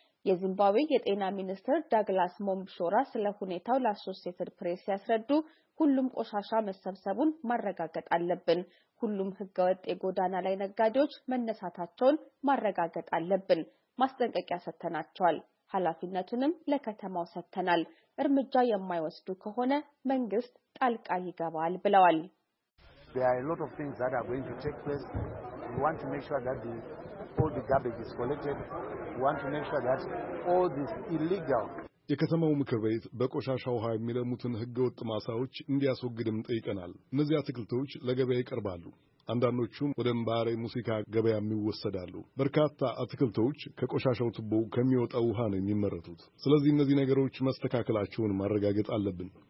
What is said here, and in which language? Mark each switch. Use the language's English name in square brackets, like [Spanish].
[Amharic] የዚምባብዌ የጤና ሚኒስትር ዳግላስ ሞምብሾራ ስለ ሁኔታው ለአሶሲየትድ ፕሬስ ያስረዱ፣ ሁሉም ቆሻሻ መሰብሰቡን ማረጋገጥ አለብን። ሁሉም ህገወጥ የጎዳና ላይ ነጋዴዎች መነሳታቸውን ማረጋገጥ አለብን። ማስጠንቀቂያ ሰጥተናቸዋል። ኃላፊነቱንም ለከተማው ሰጥተናል። እርምጃ የማይወስዱ ከሆነ መንግስት ጣልቃ ይገባል ብለዋል። [English] There are a lot of things that are going to take place. We want to make sure that all the garbage is collected. We want to make sure that all this illegal. [Amharic] የከተማው ምክር ቤት በቆሻሻው ሃይ የሚለሙትን ህገወጥ ማሳዎች እንዲያስወግድም ጠይቀናል። እነዚህ አትክልቶች ለገበያ ይቀርባሉ። አንዳንዶቹም ወደ ምባሬ ሙዚቃ ገበያ የሚወሰዳሉ። በርካታ አትክልቶች ከቆሻሻው ትቦ ከሚወጣው ውሃ ነው የሚመረቱት። ስለዚህ እነዚህ ነገሮች መስተካከላቸውን ማረጋገጥ አለብን።